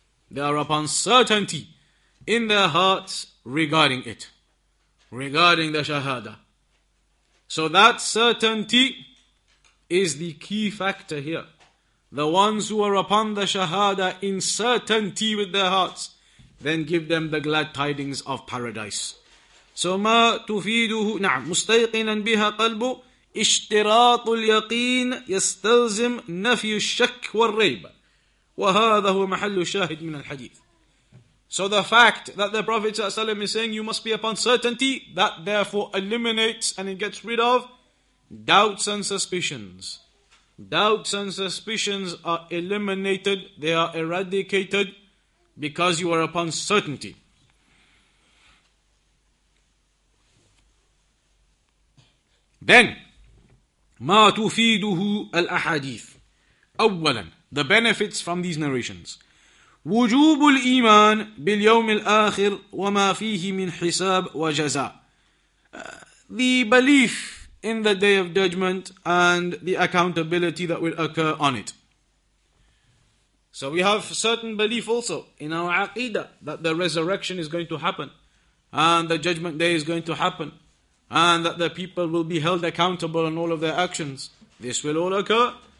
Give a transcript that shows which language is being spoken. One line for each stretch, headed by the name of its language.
English: They are upon certainty in their hearts regarding it. Regarding the Shahada. So that certainty is the key factor here. The ones who are upon the Shahada in certainty with their hearts, then give them the glad tidings of paradise.
Arabic: So ما تفيده نعم مستيقنا بها قلبه اشتراط اليقين يستلزم نفي الشك والريب وهذا هو محل الشاهد من الحديث.
English: So the fact that the Prophet ﷺ is saying you must be upon certainty, that therefore eliminates and it gets rid of doubts and suspicions. Doubts and suspicions are eliminated, they are eradicated, because you are upon certainty. Then,
Arabic: ما تفيده الأحاديث. أولا,
English: the benefits from these narrations.
Arabic: وجوب الإيمان باليوم الآخر وما فيه من حساب وجزاء.
English: The belief in the Day of Judgment and the accountability that will occur on it. So we have certain belief also in our aqidah that the resurrection is going to happen and the judgment day is going to happen and that the people will be held accountable on all of their actions. This will all occur.